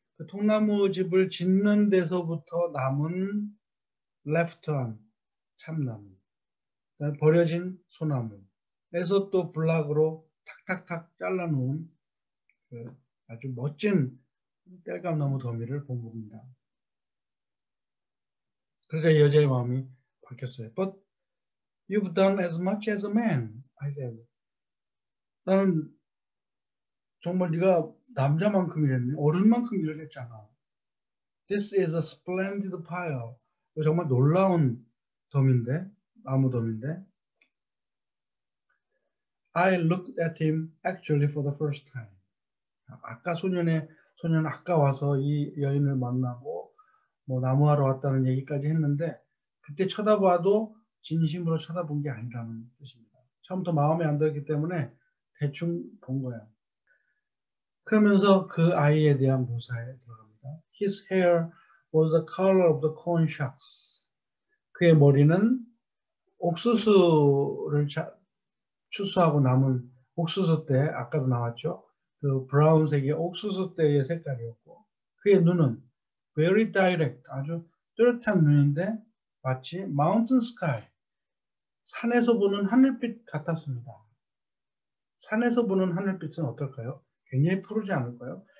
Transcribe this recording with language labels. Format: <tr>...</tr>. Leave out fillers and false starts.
<ko>그 통나무 집을 짓는 데서부터 남은 레프트한 참나무, 버려진 소나무에서 또 블락으로 탁탁탁 잘라놓은 그 아주 멋진 땔감 나무 더미를 본 겁니다. 그래서 이 여자의 마음이 바뀌었어요.</ko> <en>But you've done as much as a man, I said.</en> <ko>나는 정말 네가 남자만큼 일했네. 어른만큼 일을 했잖아.</ko> <en>This is a splendid pile.</en> <ko>정말 놀라운 더미인데, 나무 더미인데.</ko> <en>I looked at him actually for the first time.</en> <ko>아까 소년 아까 와서 이 여인을 만나고 뭐 나무하러 왔다는 얘기까지 했는데, 그때 쳐다봐도 진심으로 쳐다본 게 아니라는 뜻입니다. 처음부터 마음에 안 들었기 때문에 대충 본 거야. 그러면서 그 아이에 대한 묘사에 들어갑니다.</ko> <en>His hair was the color of the corn shucks.</en> <ko>그의 머리는 옥수수를 추수하고 남은 옥수수 때, 아까도 나왔죠? 그 브라운색의 옥수수 때의 색깔이었고, 그의 눈은</ko> <en>very direct,</en> <ko>아주 뚜렷한 눈인데, 마치</ko> <en>mountain sky,</en> <ko>산에서 보는 하늘빛 같았습니다. 산에서 보는 하늘빛은 어떨까요? 굉장히 푸르지 않을까요?</ko>